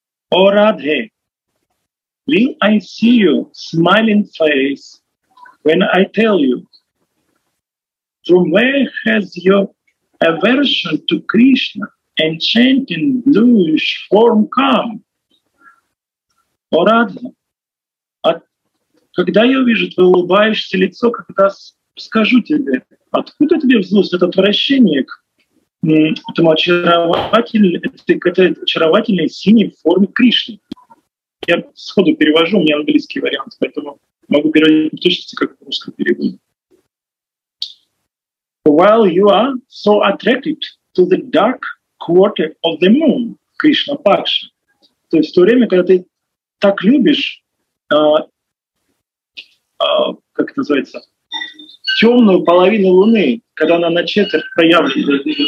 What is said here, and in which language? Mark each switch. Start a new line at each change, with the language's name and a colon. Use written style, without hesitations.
English: O Radhe, will I see you smiling face when I tell you, from where has your aversion to Krishna enchanting bluish form come?
Russian: О, Радха, а когда я увижу твое улыбающееся лицо, когда скажу тебе, откуда тебе взялось это отвращение к этому очаровательной синей форме Кришны? Я сходу перевожу, у меня английский вариант, поэтому могу переводить точно как в русском переводе.
English: While you are so attracted to the dark quarter of the moon, Krishna Paksha.
Russian: То есть в то время, когда ты так любишь, как это называется, темную половину Луны, когда она на четверть проявлена.